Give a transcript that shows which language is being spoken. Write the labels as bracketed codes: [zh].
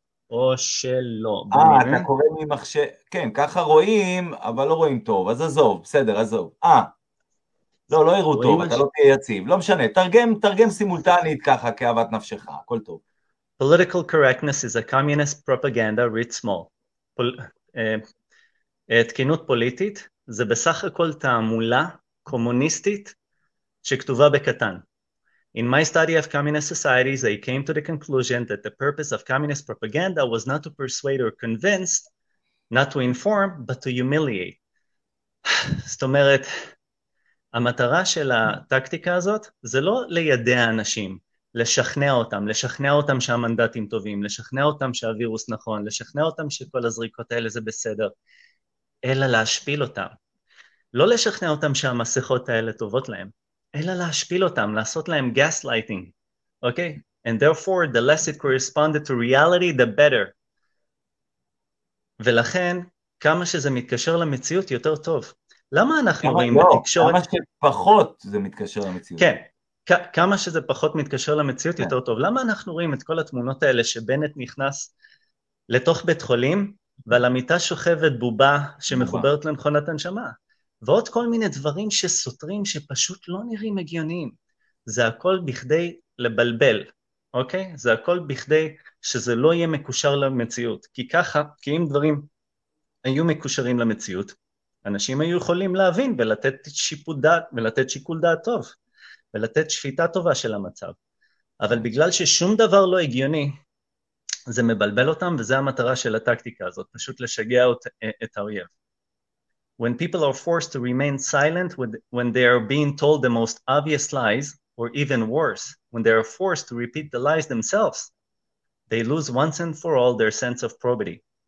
[he] או שלא. אתה קורא ממחשב, כן, ככה רואים, אבל לא רואים טוב, אז עזוב, בסדר, עזוב. לא, לא יראו טוב, אתה לא תהיה יציב, לא משנה, תרגם סימולטנית ככה, כאהבת נפשך, הכל טוב. [en] Political correctness is a communist propaganda writ small. [he] תקינות פוליטית זה בסך הכל תעמולה קומוניסטית שכתובה בקטן. [en] In my study of communist societies, I came to the conclusion that the purpose of communist propaganda was not to persuade or convince, not to inform, but to humiliate. [he] זאת אומרת, המטרה של הטקטיקה הזאת זה לא לידע אנשים, לשכנע אותם, לשכנע אותם שהמנדטים טובים, לשכנע אותם שהווירוס נכון, לשכנע אותם שכל הזריקות האלה זה בסדר, אלא להשפיל אותם. לא לשכנע אותם שהמסכות האלה טובות להם, אלא להשפיל אותם, לעשות להם gaslighting, okay? [en] And therefore, the less it corresponded to reality, the better. [he] ולכן, כמה שזה מתקשר למציאות, יותר טוב. למה אנחנו רואים בתקשורת... כמה שפחות זה מתקשר למציאות. כן, כמה שזה פחות מתקשר למציאות, יותר טוב. למה אנחנו רואים את כל התמונות האלה שבנט נכנס לתוך בית חולים, ועל המיטה שוכבת בובה שמחוברת למכונת הנשמה? ועוד כל מיני דברים שסותרים שפשוט לא נראים הגיוניים. זה הכל בכדי לבלבל, אוקיי? זה הכל בכדי שזה לא יהיה מקושר למציאות. כי ככה, כי אם דברים היו מקושרים למציאות, אנשים היו יכולים להבין ולתת שיפוט דעת, ולתת שיקול דעת טוב, ולתת שפיטה טובה של המצב. אבל בגלל ששום דבר לא הגיוני, זה מבלבל אותם, וזה המטרה של הטקטיקה הזאת, פשוט לשגע את האויב. [en] When people are forced to remain silent when they are being told the most obvious lies, or even worse, when they are forced to repeat the lies themselves, they lose once and for all their sense of probity.